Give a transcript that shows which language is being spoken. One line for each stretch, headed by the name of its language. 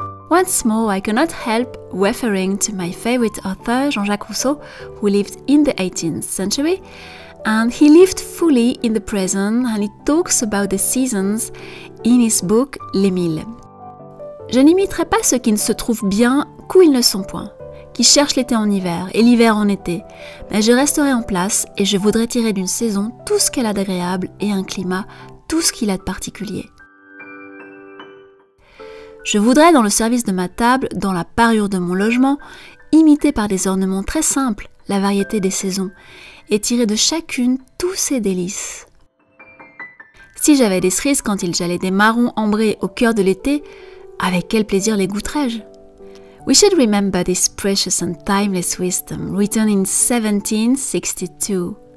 English: Once more, I cannot help referring to my favorite author, Jean-Jacques Rousseau, who lived in the 18th century, and he lived fully in the present, and he talks about the seasons in his book Les Mille.
French: Je n'imiterai pas ceux qui ne se trouvent bien qu'où ils ne sont point, qui cherchent l'été en hiver et l'hiver en été, mais je resterai en place et je voudrais tirer d'une saison tout ce qu'elle a d'agréable et un climat, tout ce qu'il a de particulier. Je voudrais, dans le service de ma table, dans la parure de mon logement, imiter par des ornements très simples la variété des saisons et tirer de chacune tous ses délices. Si j'avais des cerises quand il gelait des marrons ambrés au cœur de l'été, avec quel plaisir les goûterais-je?
English: We should remember this precious and timeless wisdom written in 1762.